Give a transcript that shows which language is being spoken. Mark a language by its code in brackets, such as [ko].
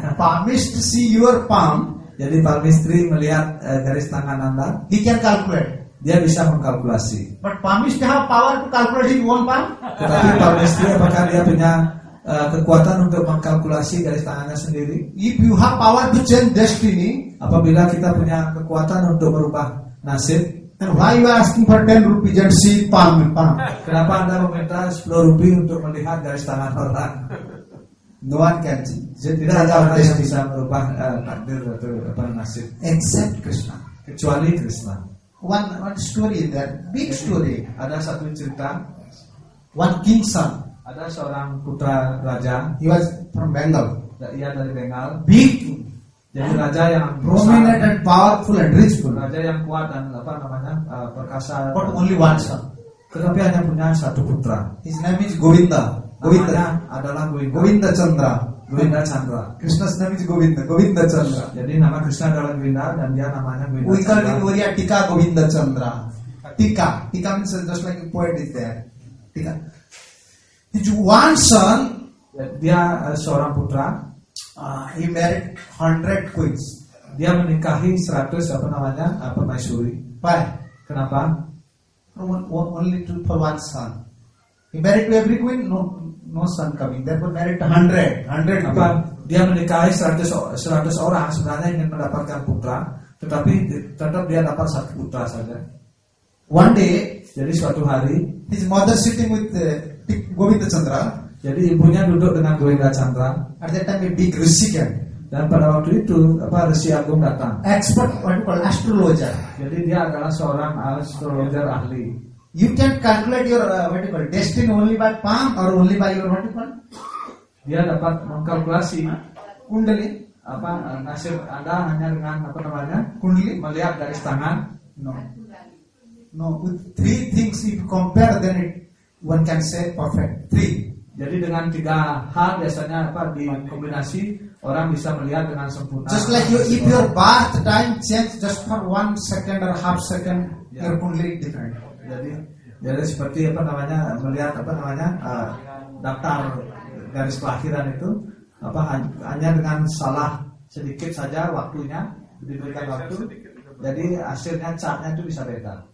[en] Palmist see your palm. [id] Jadi palmistry melihat garis tangan Anda. [en] He can calculate. [id] dia bisa mengkalkulasi. [en] But Parmeshthira have power to calculate one palm? [id] Tetapi Parmeshthira apakah dia punya kekuatan untuk mengkalkulasi garis tangannya sendiri? [en] If you have power to change destiny, [id] apabila kita punya kekuatan untuk merubah nasib, [en] then why you are asking for 10 rupees and see palm in palm? [id] Kenapa Anda meminta 10 rupiah untuk melihat garis tangan orang? [en] No one can change. [id] Tidak ada orang yang bisa merubah takdir atau apa nasib. [en] Except Krishna. [id] Kecuali Krishna. [en] One story, that big story. [id] Ada satu cerita. [en] One king's son. [id] Ada seorang putra raja. [en] He was from Bengal. [id] Ia dari Bengal. [en] Big. [id] Jadi raja yang [en] prominent and powerful and rich pun. [id] Raja yang kuat dan apa namanya perkasa. [en] But only one son. [id] Tetapi hanya punya satu putra. [en] His name is Govinda. [id] Govinda namanya adalah Govinda. Govinda Chandra. Govinda Chandra. [en] Krishna's name is Govinda. Govinda Chandra. [id] Jadi nama Krishna adalah Govinda dan dia namanya Govinda. [en] We call him Uriya Tika Govinda Chandra. Tika. Tika means just like a poet is there. Tika. His one son. [id] Dia seorang putra. [en] He married 100 queens. [id] Dia menikahi 100 apa namanya permaisuri. [en] Why? [id] Kenapa? [en] Only two for one son. He married to every queen. No son coming. Therefore married 100. [id] Apa? Dia menikahi 100 orang. Sebenarnya ingin mendapatkan putra, tetapi tetap dia dapat satu putra saja. [en] One day. [id] Jadi suatu hari. [en] His mother sitting with Govinda Chandra. [id] Jadi ibunya duduk dengan Govinda Chandra. [en] At that time, a big Rishi came. [id] Dan pada waktu itu, apa Rishi Agung datang. [en] Expert, what you call astrologer. [id] Jadi dia adalah seorang astrologer ahli. [en] You can calculate your what you call destiny only by palm or only by your what you call? [id] Dia dapat mengkalkulasi kundalini. Apa nasib Anda hanya dengan apa namanya kundalini? Melihat dari tangan. [en] No. With three things if you compare, then it one can say perfect. Three. [id] Jadi dengan tiga hal biasanya apa di kombinasi orang bisa melihat dengan sempurna. [en] Just like you, if your birth time change just for 1 second or half second, yeah. Your kundalini different. [id] Jadi seperti apa namanya melihat apa namanya daftar garis kelahiran itu apa hanya dengan salah sedikit saja waktunya diberikan waktu, jadi hasilnya chartnya itu bisa beda.